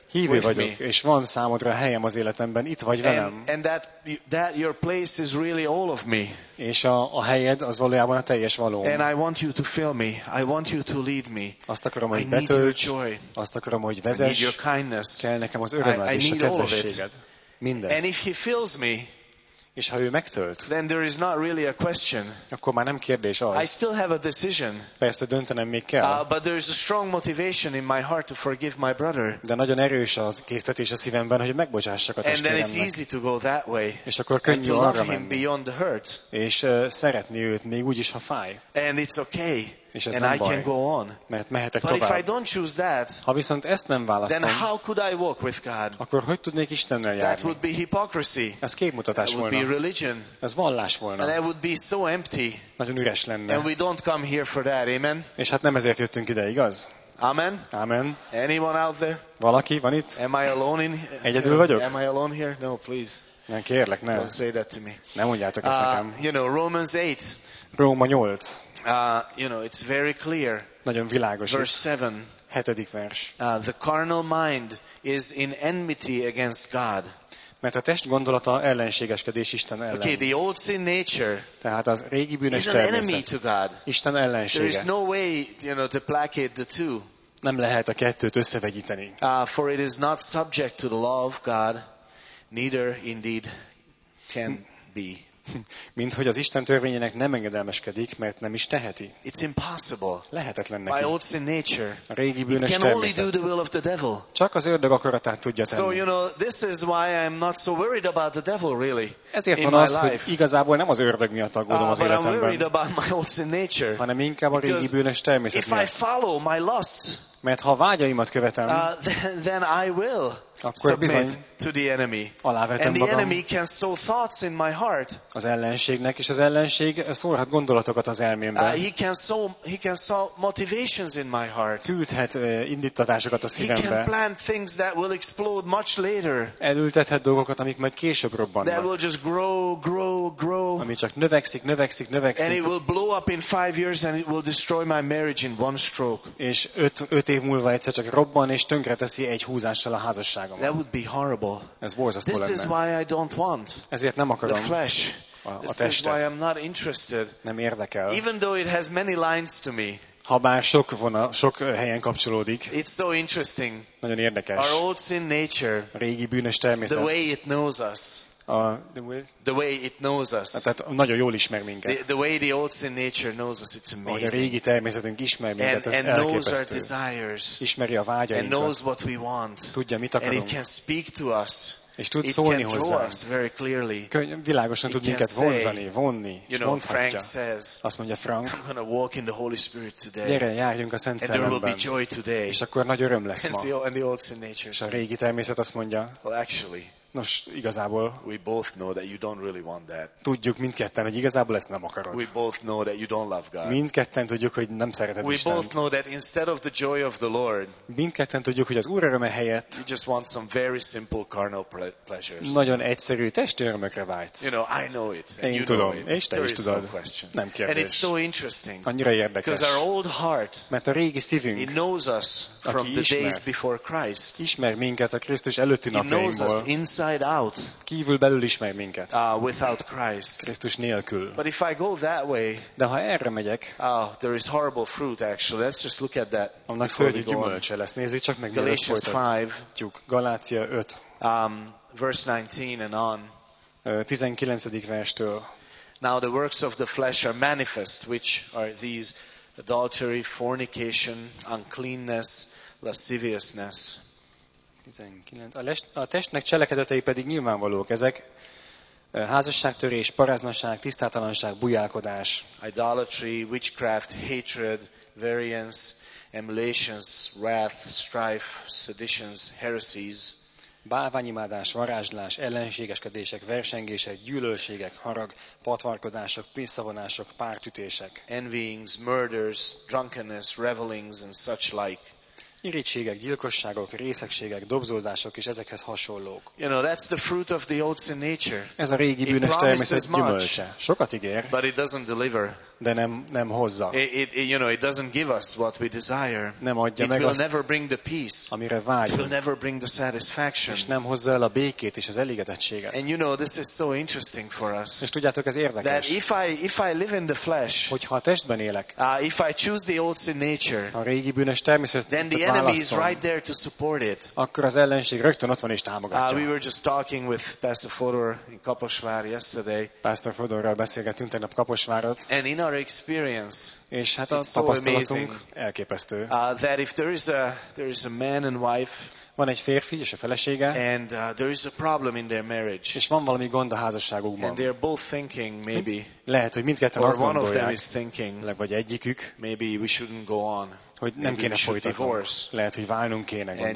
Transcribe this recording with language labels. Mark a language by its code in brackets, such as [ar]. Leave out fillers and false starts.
[hu] Hívő vagyok, és van számodra helyem az életemben, itt vagy velem. [en] And that your place is really all of me. [hu] És a helyed az valójában a teljes valóm. [en] And I want you to fill me. I want you to lead me. [hu] Azt akarom, hogy betölts. Azt akarom, hogy vezess. [en] I need your kindness. [hu] Kell nekem az örömed és a kedvességed. Mindez. [en] And if he fills me, [hu] és ha ő megtölt, [en] then there is not really a question. [hu] Akkor már nem kérdés az. [en] I still have a decision. [hu] Persze döntenem még kell. [en] But there is a strong motivation in my heart to forgive my brother. [hu] De nagyon erős az késztetés a szívemben, hogy megbocsássak a testvéremnek. [en] And then it's easy to go that way. [hu] És akkor könnyű arra menni. [en] And to love him beyond the hurt. [hu] És szeretni őt még úgy is, ha fáj. [en] And it's okay. [hu] És ez [en] and [hu] nem [en] I [hu] baj, [en] can go on. [hu] Mert mehetek [en] but [hu] tovább. [en] If I don't choose that, [hu] ha viszont ezt nem választom, [en] then how could I walk with God? [hu] Akkor hogy tudnék Istennel járni? [en] That would be hypocrisy. [hu] Ez képmutatás [en] that [hu] volna. [en] Would be religion. [hu] Ez vallás volna. [en] And would be so empty. [hu] Nagyon üres lenne. [en] And we don't come here for that. Amen. [hu] És hát nem ezért jöttünk ide, igaz? [en] Amen. Amen. Anyone out there? [hu] Valaki van itt? [en] Am I alone in? [hu] Egyedül vagyok? [en] Am I alone here? No, please. [hu] Nem, kérlek, ne. [en] Don't say that to me. [hu] Ne mondjátok ezt nekem. [en] You know, Romans 8. [hu] Róma 8. [en] You know, it's very clear. [hu] Nagyon világos. [en] Verse 7. [hu] Hetedik vers. [en] The carnal mind is in enmity against God. [hu] Mert a test gondolata ellenségeskedés Isten ellen. [en] Okay, the old sin nature. [hu] Tehát az régi bűnös természet. Isten ellensége. [en] There is no way, you know, to placate the two. [hu] Nem lehet a kettőt összevegyíteni. [en] For it is not subject to the law of God, neither indeed can be. [hu] Mint hogy az Isten törvényének nem engedelmeskedik, mert nem is teheti. [en] It's impossible. [hu] Lehetetlen neki. [en] By old sin nature. [hu] A régi bűnös természet. [en] It can only do the will of the devil. [hu] Csak az ördög akaratát tudja tenni. [en] So you know, this is why I'm not so worried about the devil really. [hu] Ezért van az, hogy igazából nem az ördög miatt aggódom az életemben. [en] I'm worried about my old sin nature. [hu] Hanem inkább a régi bűnös természet miatt. [en] If I follow my lusts, [hu] Mert ha vágyaimat követem, [en] then I will [hu] akkor bizony [en] to the enemy. [hu] Alávetem [en] and the [hu] magam. [en] Enemy can sow thoughts in my heart. [hu] Az ellenségnek, és az ellenség szórhat gondolatokat az elmémben. [en] He can sow motivations in my heart. [hu] Tűthet indítatásokat a szívembe. [en] He can plant things that will explode much later. [hu] Elültethet dolgokat, amik majd később robbannak. [en] That will just grow. [hu] Ami csak növekszik. [en] And it will blow up in 5 years and it will destroy my marriage in one stroke. [hu] És öt év múlva egyszer csak robban és tönkreteszi egy húzással a házasságomat. [en] That would be horrible. [hu] Ez borzasztó lenne. [en] This is why I don't want. [hu] Ezért nem akarom. [en] The flesh. [hu] A testet. [en] This is why I'm not interested. [hu] Nem érdekel. [en] Even though it has many lines to me. [hu] Habár sok vonal, sok helyen kapcsolódik. [en] It's so interesting. [hu] Nagyon érdekes. [en] Our old sin nature. [hu] A régi bűnös természet. [en] The way it knows us. The way it knows us. [hu] Tehát nagyon jól ismer minket. [en] The way the old sin nature knows us, it's amazing. [hu] A régi természetünk ismer minket, ez elképesztő. [en] And knows our desires. [hu] Ismeri a vágyainkat. [en] And knows what we want. [hu] Tudja, mit akarunk. [en] And it can speak to us. [hu] És tud szólni hozzánk. [en] It can draw us very clearly. [hu] Világosan tud minket vonzani, vonni. [en] You know, Frank says. [hu] Azt mondja Frank. [en] I'm gonna walk in the Holy Spirit today. [hu] Gyere, járjunk a Szent Szellemben. [en] And there will be joy today. [hu] És akkor nagy öröm lesz ma. [en] And the old sin nature. [hu] És a régi természet azt mondja. [en] Well, actually. [hu] Nos, igazából [en] we both know that you don't really want that. [hu] Tudjuk mindketten, hogy igazából ezt nem akarod. [en] We both know that you don't love God. [hu] Mindketten tudjuk, hogy nem szereted Istent. [en] We both know that instead of the joy of the Lord. [hu] Mindketten tudjuk, hogy az Úr öröme helyett [en] you just want some very simple carnal pleasures. [hu] Nagyon egyszerű testi örömökre vágysz. [en] You know, I know it. [hu] Én [en] you [hu] tudom, [en] know it. [hu] És te [en] there [hu] is tudod. [en] No question. [hu] Nem kérdés. [en] And it's so interesting. [hu] Annyira érdekes. [en] Because our old heart, [hu] mert a régi szívünk, [en] it knows us from the days before Christ. [hu] Ismer minket a Krisztus előtti napjainkból. [en] Inside out. [hu] Kívül belül ismer minket. [en] Without Christ. [hu] Krisztus nélkül. [en] But if I go that way. [hu] De ha erre megyek. [en] There is horrible fruit actually. Let's just look at that. [hu] Annak szörnyű gyümölcse lesz. Nézzük csak meg. [en] Galatians 5. [hu] Galácia 5. [en] Verse 19 and on. [hu] 19. verstől. [en] Now the works of the flesh are manifest, which are these: adultery, fornication, uncleanness, lasciviousness. [hu] 19. A testnek cselekedetei pedig nyilvánvalók. Ezek házasságtörés, paráznaság, tisztátalanság, bujálkodás. [en] Idolatry, witchcraft, hatred, variance, emulations, wrath, strife, seditions, heresies. [hu] Bálványimádás, varázslás, ellenségeskedések, versengések, gyűlölségek, harag, patvarkodások, pénzszavonások, pártütések. [en] Envyings, murders, drunkenness, revelings and such like. [hu] Irigységek, gyilkosságok, részegségek, dobzózások és ezekhez hasonlók. [en] You know, that's the fruit of the old sin nature. [hu] Ez a régi bűnös természet gyümölcse. Sokat ígér, [en] but it doesn't deliver. [hu] De nem hozza. [en] It, you know, it doesn't give us what we desire. [hu] Nem adja [en] it [hu] meg [en] will [hu] azt, [en] never bring the peace. [hu] Amire vágyunk. [en] It will never bring the satisfaction. [hu] És nem hozza el a békét és az elégedettséget. [en] And you know, this is so interesting for us. [hu] És tudjátok, ez érdekes. [en] That if I live in the flesh. [hu] Hogyha a testben élek. [en] If I choose the old sin nature. [hu] A régi bűnös természet. [en] Then the enemy is right there to support it. [hu] Akkor az ellenség rögtön ott van és támogatja. [en] We were just talking with Pastor Fodor in Kaposvár yesterday. [hu] Pastor Fodorral beszélgettünk tegnap Kaposvárot. [en] And in our experience. [hu] És hát a [en] it's [hu] tapasztalatunk [en] so [hu] elképesztő. [en] That if there is a man and wife. [hu] Van egy férfi és a felesége. [en] And there is a problem in their marriage. [hu] És van valami gond a házasságukban. [en] And they're both thinking maybe. [hu] Lehet, hogy mindketten azt gondolják. [en] Or one of them is thinking. [hu] Vagy egyikük. [en] Maybe we shouldn't go on. [hu] Hogy nem kéne folytatnunk. Lehet, hogy válnunk kéne, gondolják.